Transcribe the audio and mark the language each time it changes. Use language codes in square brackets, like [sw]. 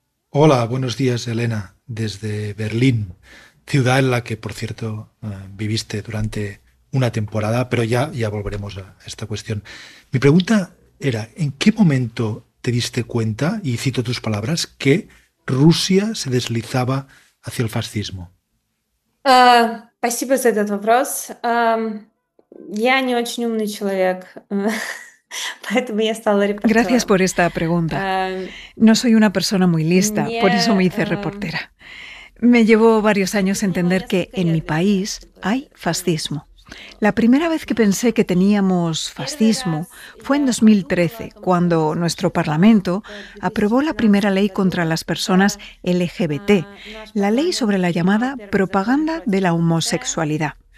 [es] Hola, buenos días, Elena, desde Berlín, ciudad en la que, por cierto, viviste durante una temporada, pero ya volveremos a esta cuestión. Mi pregunta era, ¿en qué momento te diste cuenta, y cito tus palabras, que Rusia se deslizaba hacia el fascismo? [ru] Спасибо за этот вопрос. Я не очень умный человек. [es] Gracias por esta pregunta. No soy una persona muy lista, por eso me hice reportera. Me llevó varios años entender que en mi país hay fascismo. La primera vez que pensé que teníamos fascismo fue en 2013, cuando nuestro Parlamento aprobó la primera ley contra las personas LGBT, la ley sobre la llamada propaganda de la homosexualidad.